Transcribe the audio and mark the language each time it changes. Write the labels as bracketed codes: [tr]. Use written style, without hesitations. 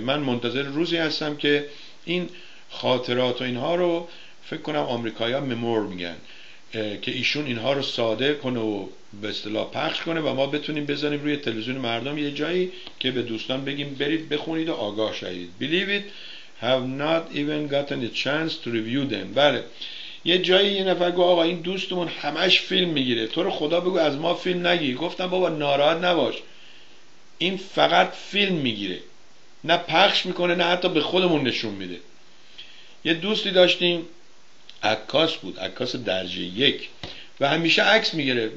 [fa] من منتظر روزی هستم که این خاطرات و اینها رو، فکر کنم آمریکایی‌ها ممور میگن، که ایشون اینها رو ساده کنه و به اصطلاح پخش کنه و ما بتونیم بزنیم روی تلویزیون مردم یه جایی که به دوستان بگیم برید بخونید و آگاه شدید. [en] Believe it, have not even gotten a chance to review them. [fa] بله، یه جایی یه نفر گفت آقا این دوستمون همش فیلم میگیره، تو رو خدا بگو از ما فیلم نگی. گفتم بابا ناراحت نباش، این فقط فیلم میگیره، نه پخش میکنه نه حتی به خودمون نشون میده. یه دوستی داشتیم عکاس بود، عکاس درجه 1، و همیشه عکس میگرفت.